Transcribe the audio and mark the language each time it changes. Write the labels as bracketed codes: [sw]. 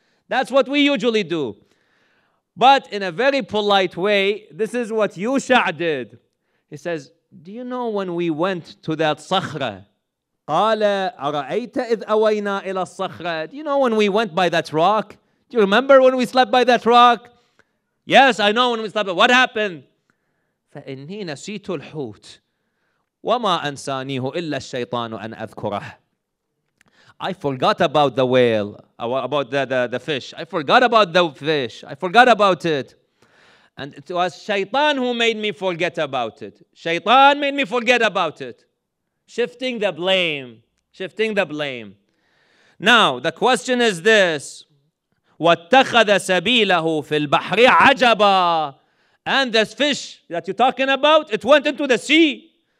[en] That's what we usually do. But in a very polite way, this is what Yusha did. He says, do you know when we went to that sakhra? [ar] قَالَ أَرَأَيْتَ إِذْ أَوَيْنَا إِلَى الصَّخْرَةِ [en] Do you know when we went by that rock? Do you remember when we slept by that rock? Yes, I know when we slept. What happened? [ar] فَإِنِّي نَسِيتُ الْحُوتِ وَمَا أَنْسَانِيهُ إِلَّا الشَّيْطَانُ أَنْ أَذْكُرَهُ [en] I forgot about the whale, about the fish. I forgot about the fish. I forgot about it. And it was Shaytan who made me forget about it. Shaytan made me forget about it. Shifting the blame, shifting the blame. Now, the question is this. [ar] وَاتَّخَذَ سَبِيلَهُ فِي الْبَحْرِ عَجَبًا [en] And this fish that you're talking about, it went into the sea.